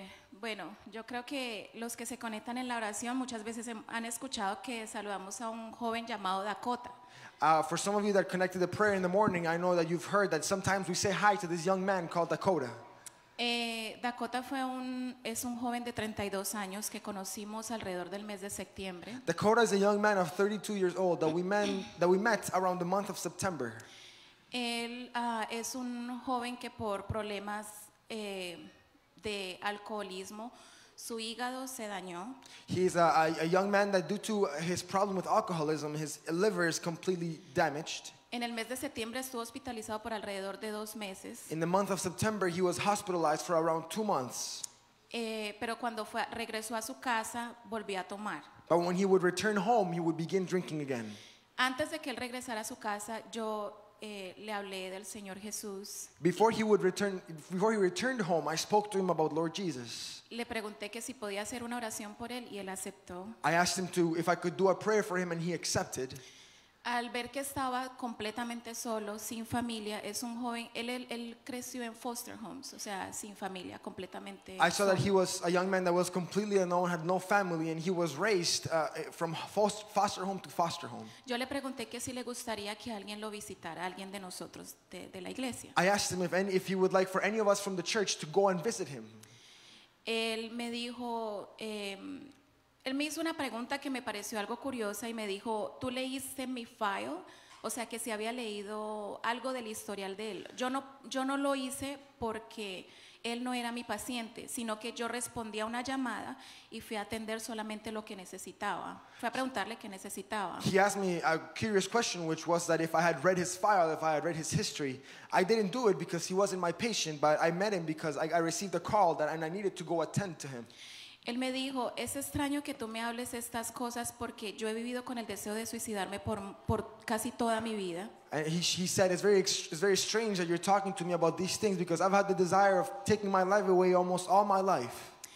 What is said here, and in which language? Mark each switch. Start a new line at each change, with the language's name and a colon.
Spanish: Bueno, yo creo que los que se conectan en la oración muchas veces han escuchado que saludamos a un joven llamado Dakota.
English: For some of you that connected the prayer in the morning, I know that you've heard that sometimes we say hi to this young man called Dakota.
Spanish: Dakota es un joven de 32 años que conocimos alrededor del mes de septiembre.
English: Dakota is a young man of 32 years old that we met around the month of September.
Spanish: Él es un joven que por problemas de alcoholismo, su hígado se dañó.
English: He's a young man that due to his problem with alcoholism, his liver is completely damaged.
Spanish: En el mes de septiembre estuvo hospitalizado por alrededor de 2 meses.
English: In the month of September, he was hospitalized for around 2 months.
Spanish: Pero cuando regresó a su casa, volvió a tomar.
English: But when he would return home, he would begin drinking again.
Spanish: Antes de que él regresara a su casa, yo le hablé del Señor Jesús.
English: Before he returned home, I spoke to him about Lord Jesus.
Spanish: Le pregunté que si podía hacer una oración por él y él aceptó.
English: I asked him to if I could do a prayer for him and he accepted.
Spanish: Al ver que estaba completamente solo, sin familia, es un joven. Él creció en foster homes, o sea, sin familia, completamente.
English: I saw that he was a young man that was completely alone, had no family, and he was raised from foster home to foster home.
Spanish: Yo le pregunté que si le gustaría que alguien lo visitara, alguien de nosotros de la iglesia.
English: I asked him if he would like for any of us from the church to go and visit him.
Spanish: Él me dijo. Él me hizo una pregunta que me pareció algo curiosa y me dijo, ¿tú leíste mi file? O sea, que si había leído algo del historial de él. Yo no lo hice porque él no era mi paciente, sino que yo respondí a una llamada y fui a atender solamente lo que necesitaba. Fui a preguntarle qué necesitaba.
English: He asked me a curious question, which was that if I had read his file, if I had read his history. I didn't do it because he wasn't my patient, but I met him because I received a call that and I needed to go attend to him.
Spanish: Él me dijo, es extraño que tú me hables estas cosas porque yo he vivido con el deseo de suicidarme por casi toda mi vida.
English: And he said, it's very strange that you're talking to me about these things because I've had the desire of taking my life away almost all my life.